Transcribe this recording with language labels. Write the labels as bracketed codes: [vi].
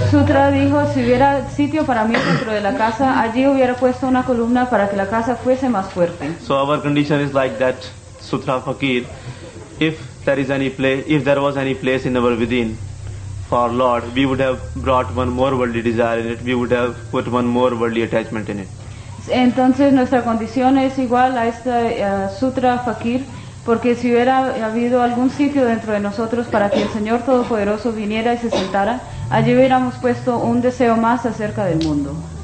[es] Sutra dijo, si hubiera sitio para mí dentro de la casa, allí hubiera puesto una columna para que la casa fuese más fuerte. [en] So our condition is like that, Sutra Fakir. If there is any place, if there was any place in our within for Lord, we would have brought one more worldly desire in it. We would have put one more worldly attachment in it. [es] Entonces nuestra condición es igual a esta Sutra Fakir. Porque si hubiera habido algún sitio dentro de nosotros para que el Señor Todopoderoso viniera y se sentara, allí hubiéramos puesto un deseo más acerca del mundo.